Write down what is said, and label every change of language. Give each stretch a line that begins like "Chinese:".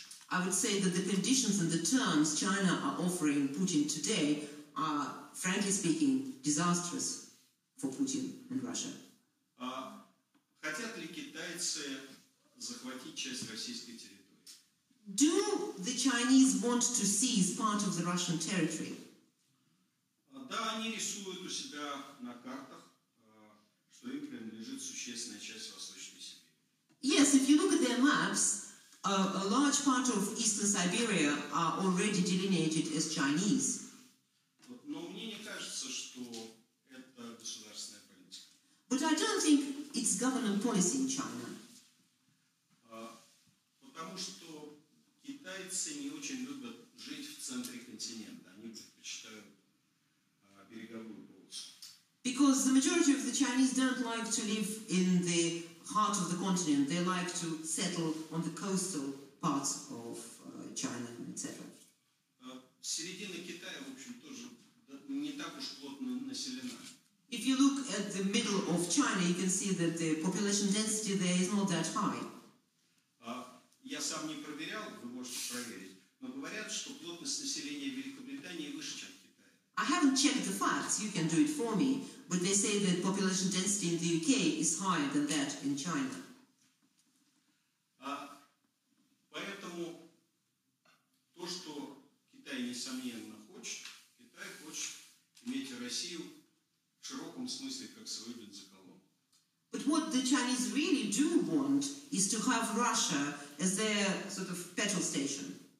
English: I would say that the conditions and the terms China are offering Putin today are, frankly speaking, disastrous for Putin and Russia.
Russian: Хотят ли китайцы захватить часть российской территории?
English: Do the Chinese want to seize part of the Russian territory?
Russian: Да, они рисуют у себя на картах, что им принадлежит существенная часть Восточной Сибири.
English: Yes, if you look at their maps, a large part of Eastern Siberia are already delineated as Chinese.
Russian: Но мне не кажется, что это государственная политика.
English: But I don't think it's government policy in China.
Russian: Потому что китайцы не очень любят жить в центре континента. Они предпочитают береговую полосу.
English: Because the majority of the Chinese don't like to live in the heart of the continent. They like to settle on the coastal parts of China, etc.
Russian: Середина Китая, в общем, тоже не так уж плотно населена.
English: If you look at the middle of China, you can see that the population density there is not that high.
Russian: Я сам не проверял, вы можете проверить, но говорят, что плотность населения Великобритании выше, чем в Китае.
English: I haven't checked the facts, you can do it for me, but they say that population density in the UK is higher than that in China.
Russian: Поэтому то, что Китай несомненно хочет, Китай хочет иметь Россию в широком смысле как свою бензоколонку.
English: But what the Chinese really do want is to have Russia as their sort of petrol station.